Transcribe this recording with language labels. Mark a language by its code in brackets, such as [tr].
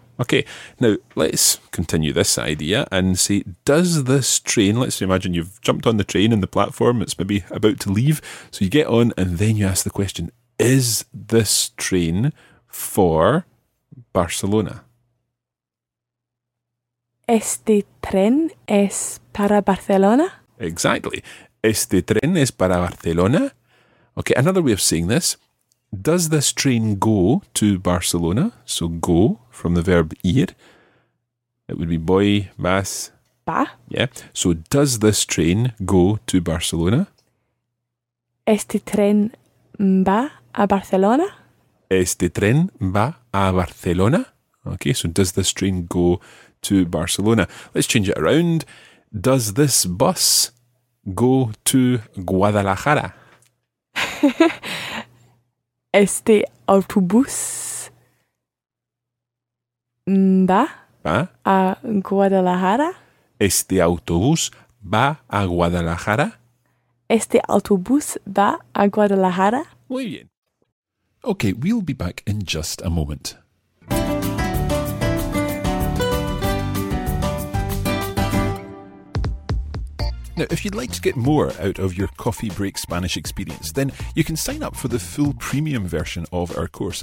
[en] Okay, now let's continue this idea and say, does this train, let's imagine you've jumped on the train in the platform, it's maybe about to leave, so you get on and then you ask the question, is this train for Barcelona? [es] ¿Este tren es para Barcelona? [en] Exactly. [es] ¿Este tren es para Barcelona? [en] Okay, another way of saying this, does this train go to Barcelona? So go from the verb ir. It would be voy, vas. [es] Va. [en] Yeah. So does this train go to Barcelona? [es] ¿Este tren va a Barcelona? ¿Este tren va a Barcelona? [en] Okay, so does this train go to Barcelona? Let's change it around. Does this bus go to Guadalajara? [es] ¿Este autobús va a Guadalajara? ¿Este autobús va a Guadalajara? ¿Este autobús va a Guadalajara? Muy bien. [en] Okay, we'll be back in just a moment. Now, if you'd like to get more out of your Coffee Break Spanish experience, then you can sign up for the full premium version of our course.